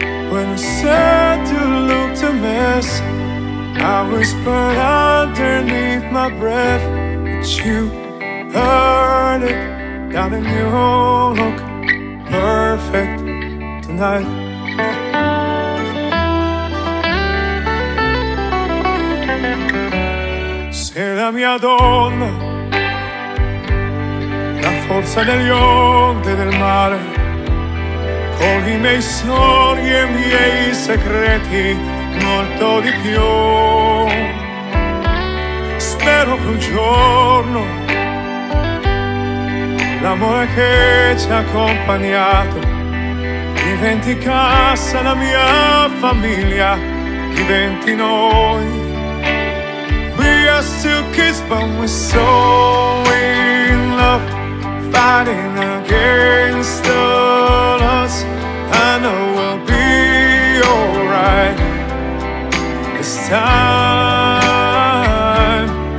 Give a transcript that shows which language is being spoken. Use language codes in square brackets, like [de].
[en] When you said you looked a mess, I whispered underneath my breath that you heard it. Darling, you look perfect tonight. [it] Sei la mia donna, la forza degli onde del mare, con I miei sogni e I miei segreti, molto di più. Spero che un giorno l'amore che ci ha accompagnato diventi casa, la mia famiglia diventi noi. [en] We are still kids but we're so in love, fighting against the odds. I know we'll be alright this time.